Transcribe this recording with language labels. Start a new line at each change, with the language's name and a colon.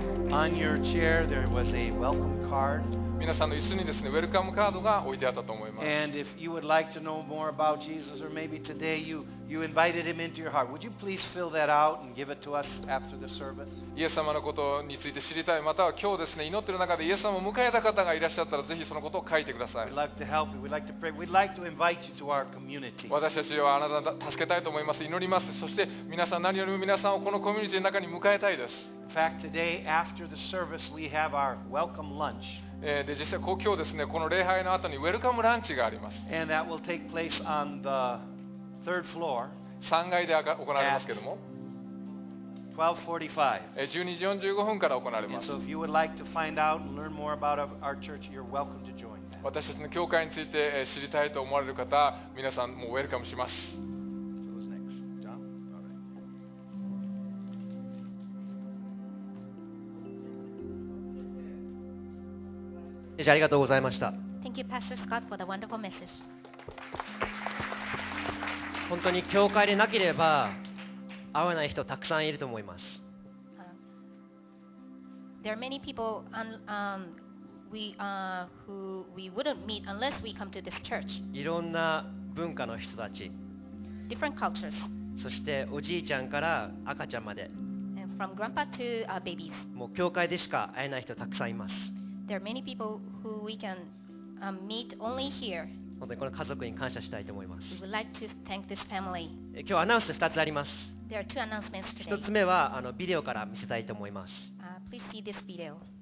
English: On your chair there was a welcome card.
Japanese: 皆さんの椅子にですね、ウェルカムカードが置いてあったと思います。
English: And if you would like to know more about Jesus, or maybe today you invited him into your heart, would you please fill that out and give it to us after the service?
Japanese: イエス様のことについて知りたい、または今日ですね、祈っている中でイエス様を迎えた方がいらっしゃったら、ぜひそのことを書いてください。
English: We'd like to help you. We'd like to pray. We'd like to invite you to our community.
Japanese: 私たちはあなたを助けたいと思います。祈ります。そして皆さん何よりも皆さんをこのコミュニティの中に迎えたいです。
English: In fact, today after the service we have our welcome lunch.
Japanese: で実際今日ですねこの礼拝の後にウェルカムランチがあります
English: And that will take place on the third floor
Japanese: 3階で行われますけども 12時45分から行われます私たちの教会について知りたいと思われる方皆さんもうウェルカムしますじゃあありがとうございました。
English: Thank you, Pastor Scott, for the wonderful message.
Japanese: 本当に教会でなければ会わない人たくさんいると思います。
English: There are many people who we wouldn't meet unless we come to this church.
Japanese: いろんな文化の人たち。
English: Different cultures.
Japanese: そしておじいちゃんから赤ちゃんまで。
English: And from grandpa to babies.
Japanese: もう教会でしか会えない人たくさんいます。
English: There are many people who we can meet only here.
Japanese: 本当にこの家族に感謝したいと思います。
English: We would like to thank this family.
Japanese: 今日アナウンス2つあります。
English: There are two announcements today.
Japanese: 一つ目はビデオから見せたいと思います。
English: Please see this video.